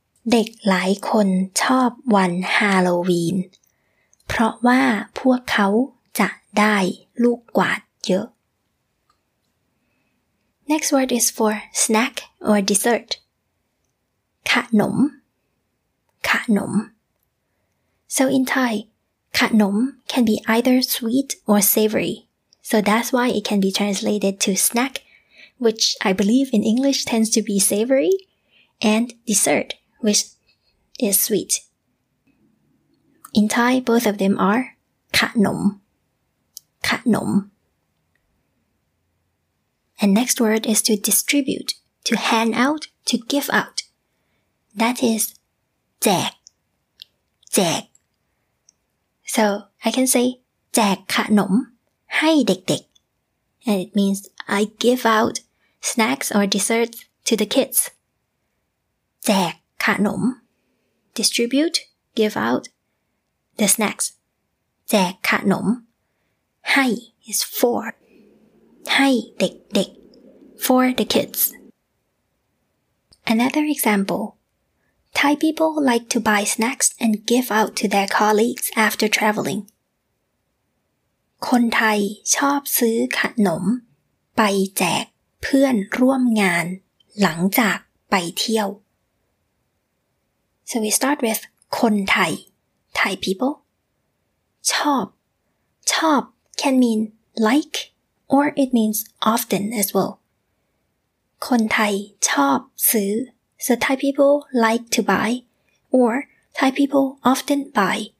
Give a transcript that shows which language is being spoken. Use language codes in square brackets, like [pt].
[th] เด็กหลายคนชอบวันฮาโลวีนเพราะว่าพวกเขาจะได้ลูกกวาดเยอะ [en] next word is for snack or dessert [th] ขนมขนม [en] So in Thai, ขนม can be either sweet or savory. So that's why it can be translated to snack, which I believe in English tends to be savory, and dessert, which is sweet. In Thai, both of them are [th] ขนม ขนม [en] And next word is to distribute, to hand out, to give out. That is [th] แจกแจก [en] So I can say [th] แจกขนมให้เด็กๆ [en] And it means I give out snacks or desserts to the kids [th] แจกขนม [en] Distribute, give out the snacks [th] แจกขนมให้ [en] is for [th] ให้เด็กๆ [en] For the kids Another examplethai people like to buy snacks and give out to their colleagues after traveling. [th] คนไทยชอบซื้อขนมไปแจกเพื่อนร่วมงานหลังจากไปเที่ยว [en] So we start with [th] คนไทย [en] Thai people [th] ชอบชอบ [en] can mean like or it means often as well. [th] คนไทยชอบซื้อ [en] So Thai people like to buy, or Thai people often buy.